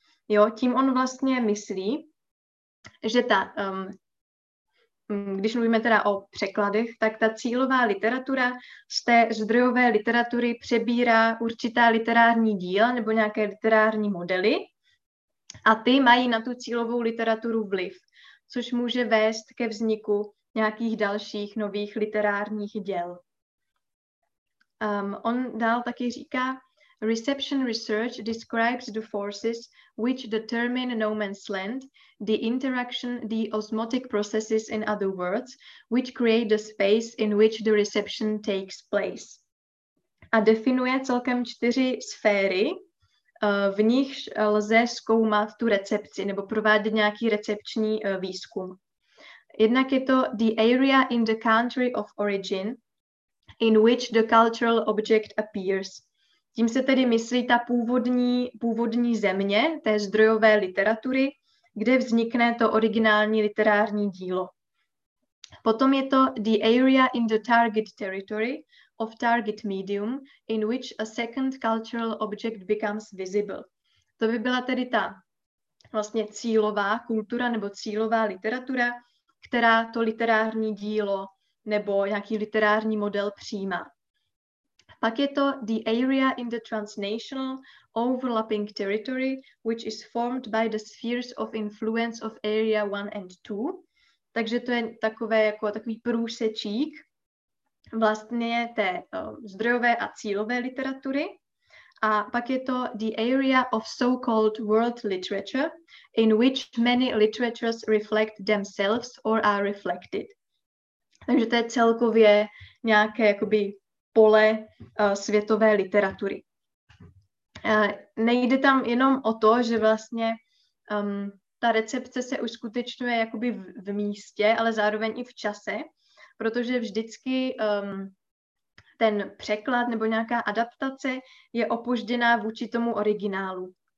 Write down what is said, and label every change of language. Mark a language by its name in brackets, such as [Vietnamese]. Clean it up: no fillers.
[Czech] Jo, tím on vlastně myslí, že ta, když mluvíme teda o překladech, tak ta cílová literatura z té zdrojové literatury přebírá určitá literární díla nebo nějaké literární modely a ty mají na tu cílovou literaturu vliv, což může vést ke vzniku nějakých dalších nových literárních děl. On dál taky říká, [English] reception research describes the forces which determine no man's land, the interaction, the osmotic processes in other words, which create the space in which the reception takes place. [Czech] A definuje celkem 4 sféry, v nich lze zkoumat tu recepci nebo provádět nějaký recepční výzkum. Jednak je to [English] the area in the country of origin, in which the cultural object appears. [Czech] Tím se tedy myslí ta původní země té zdrojové literatury, kde vznikne to originální literární dílo. Potom je to [English] the area in the target territory of target medium in which a second cultural object becomes visible. [Czech] To by byla tedy ta vlastně cílová kultura nebo cílová literatura, která to literární dílo nebo nějaký literární model přijímá. Pak je to [English] the area in the transnational overlapping territory, which is formed by the spheres of influence of area 1 and 2. [Czech] Takže to je takové jako takový průsečík vlastně té zdrojové a cílové literatury. A pak je to [English] the area of so-called world literature, in which many literatures reflect themselves or are reflected. [Czech] Takže to je celkově nějaké jakoby pole světové literatury. Nejde tam jenom o to, že vlastně ta recepce se uskutečňuje jakoby v místě, ale zároveň i v čase, protože vždycky ten překlad nebo nějaká adaptace je opožděná vůči tomu originálu.